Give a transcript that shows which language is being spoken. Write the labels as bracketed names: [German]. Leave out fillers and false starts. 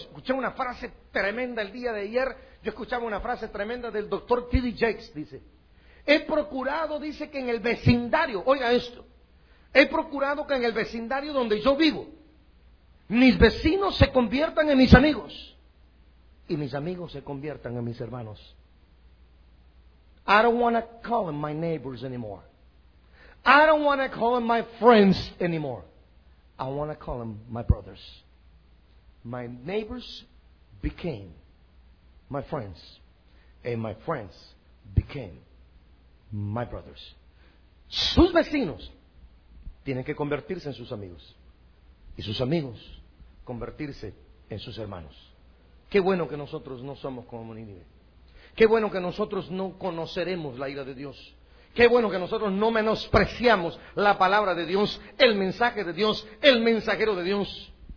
[Spanish] Escuché una frase tremenda el día de ayer. Yo escuchaba una frase tremenda del doctor T.D. Jakes, dice, he procurado, dice, que en el vecindario, oiga esto, he procurado que en el vecindario donde yo vivo, mis vecinos se conviertan en mis amigos, y mis amigos se conviertan en mis hermanos. [English] I don't want to call them my neighbors anymore. I don't want to call them my friends anymore. I want to call them my brothers. My neighbors became my friends, and my friends became my brothers. [Spanish] Sus vecinos tienen que convertirse en sus amigos, y sus amigos convertirse en sus hermanos. Qué bueno que nosotros no somos como Nínive. Qué bueno que nosotros no conoceremos la ira de Dios. Qué bueno que nosotros no menospreciamos la palabra de Dios, el mensaje de Dios, el mensajero de Dios.